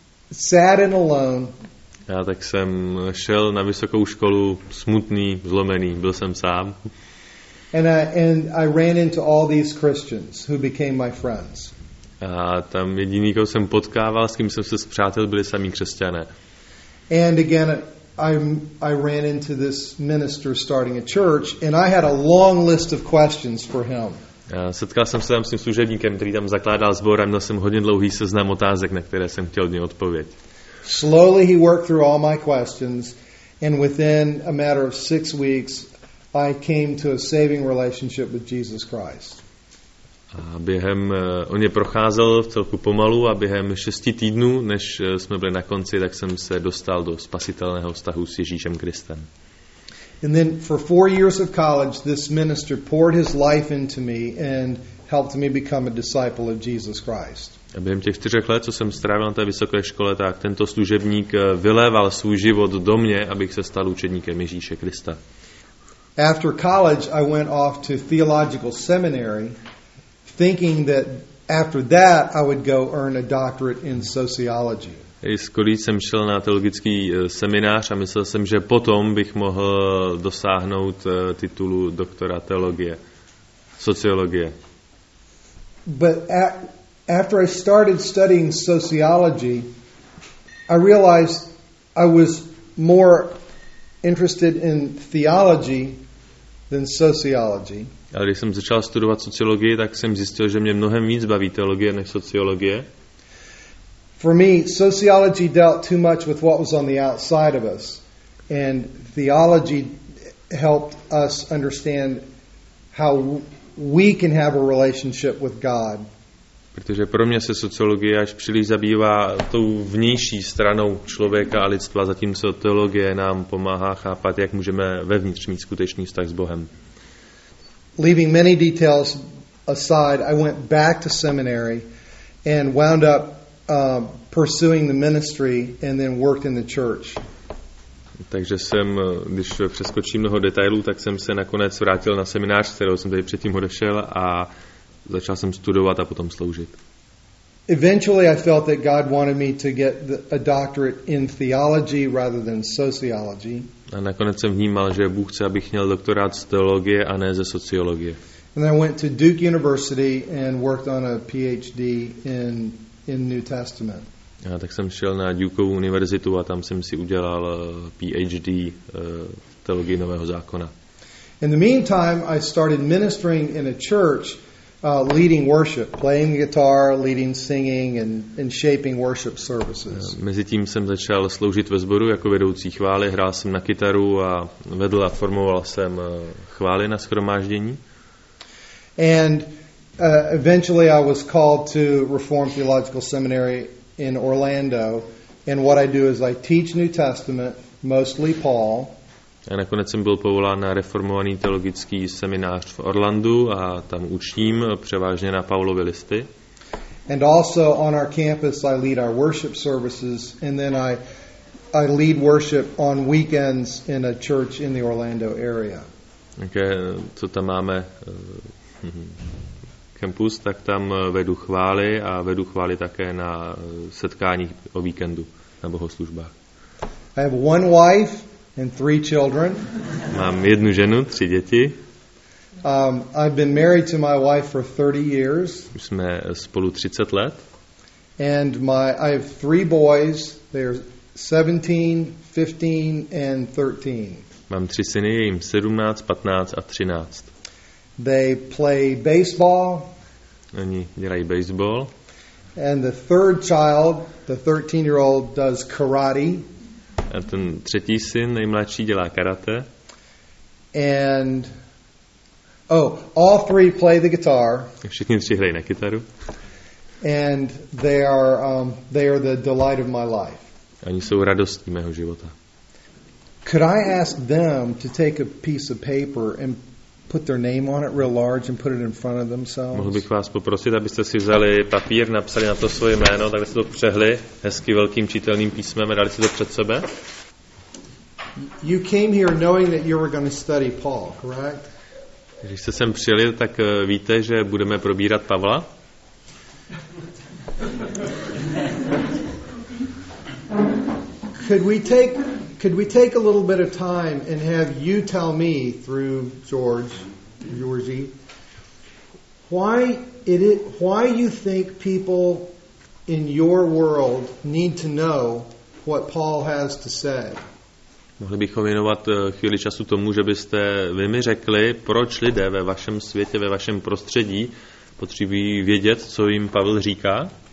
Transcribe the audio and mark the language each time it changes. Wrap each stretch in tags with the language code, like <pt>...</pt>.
<en>Sad and alone.</en> <cs>Já tak jsem šel na vysokou školu smutný, zlomený, byl jsem sám.</cs> <en>And I ran into all these Christians who became my friends.</en> <cs>A tam jediný, koho jsem potkával, s kým jsem se spřátel, byli sami křesťané.</cs> <en>And again I ran into this minister starting a church and I had a long list of questions for him.</en> <cs>A setkal jsem se tam s tím služebníkem, který tam zakládal sbor, a měl jsem hodně dlouhý seznam otázek, na které jsem chtěl od něj odpověď.</cs> <en>Slowly he worked through all my questions and within a matter of 6 weeks I came to a saving relationship with Jesus Christ.</en> <cs>A během on je procházel vcelku pomalu a během 6 týdnů, než jsme byli na konci, tak jsem se dostal do spasitelného vztahu s Ježíšem Kristem.</cs> <en>And then for 4 years of college this minister poured his life into me and helped me become a disciple of Jesus Christ.</en> <cs>A během těch 4 let, co jsem strávil na té vysoké škole, tak tento služebník vyléval svůj život do mě, abych se stal učedníkem Ježíše Krista.</cs> <en>After college I went off to theological seminary thinking that after that I would go earn a doctorate in sociology.</en> <cs>Skoro jsem šel na teologický seminář a myslel jsem, že potom bych mohl dosáhnout titulu doktora teologie, sociologie.</cs> <en>But after I started studying sociology, I realized I was more interested in theology than sociology.</en> <cs>Ale když jsem začal studovat sociologii, tak jsem zjistil, že mě mnohem víc baví teologie než sociologie.</cs> <en>For me, sociology dealt too much with what was on the outside of us, and theology helped us understand how we can have a relationship with God.</en> <cs>Protože pro mě se sociologie až příliš zabývá tou vnější stranou člověka a lidstva, zatímco teologie nám pomáhá chápat, jak můžeme vevnitř mít skutečný vztah s Bohem.</cs> <en>Leaving many details aside, I went back to seminary and wound up pursuing the ministry and then worked in the church.</en> <cs>Takže jsem, když přeskočím mnoho detailů, tak jsem se nakonec vrátil na seminář, kterého jsem tady předtím odešel a začal jsem studovat a potom sloužit.</cs> <en>Eventually I felt that God wanted me to get a doctorate in theology rather than sociology.</en> <cs>A nakonec jsem vnímal, že Bůh chce, abych měl doktorát z teologie a ne ze sociologie.</cs> <en>And I went to Duke University and worked on a PhD in New Testament.</en> <cs>A tak jsem šel na Dukeovu univerzitu a tam jsem si udělal PhD v teologii Nového zákona.</cs> <en>In the meantime, I started ministering in a church, leading worship, playing guitar, leading singing and shaping worship services.</en> <cs>Mezitím jsem začal sloužit ve sboru jako vedoucí chvály, hrál jsem na kytaru a vedl a formoval jsem chvály na shromáždění.</cs> <en>And eventually I was called to Reformed Theological Seminary in Orlando And what I do is I teach New Testament, mostly Paul.</en> <cs>A nakonec jsem byl povolán na reformovaný teologický seminář v Orlandu a tam učím převážně na Paulovy listy.</cs> <en>And also on our campus I lead our worship services and then I lead worship on weekends in a church in the Orlando area.</en> <cs>Okay, co tam máme kampus, tak tam vedu chvály a vedu chvály také na setkáních o víkendu na bohoslužbách.</cs> <en>I have one wife and three children.</en> <cs>Mám jednu ženu, tři děti.</cs> <en>I've been married to my wife for 30 years.</en> <cs>Už jsme spolu 30 let.</cs> <en>And I have three boys. They're 17, 15 and 13.</en> <cs>Mám tři syny, je jim 17, 15 a 13.</cs> <en>They play baseball.</en> <cs>Oni hrají baseball.</cs> <en>And the third child, the 13-year-old, does karate.</en> <cs>A ten třetí syn, nejmladší, dělá karate.</cs> <en>And all three play the guitar.</en> <cs>Všichni tři hrají na kytaru.</cs> <en>And they are the delight of my life.</en> <cs>Oni jsou radostí mého života.</cs> <en>Could I ask them to take a piece of paper and put their name on it real large and put it in front of themselves?</en> <cs>Mohl bych vás poprosit, abyste si vzali papír, napsali na to svoje jméno, takhle si to přehli hezky velkým čitelným písmem a dali si to před sebe?</cs> <en>You came here knowing that you were going to study Paul, correct?</en> <cs>Když jste sem přijeli, tak víte, že budeme probírat Pavla?</cs> <en>Could we take a little bit of time and have you tell me through Georgie, why you think people in your world need to know what Paul has to say?</en> <cs>Mohli bychom věnovat chvíli času tomu, že byste vy mi řekli, proč lidé ve vašem světě, ve vašem prostředí potřebují vědět, co jim Pavel říká?</cs>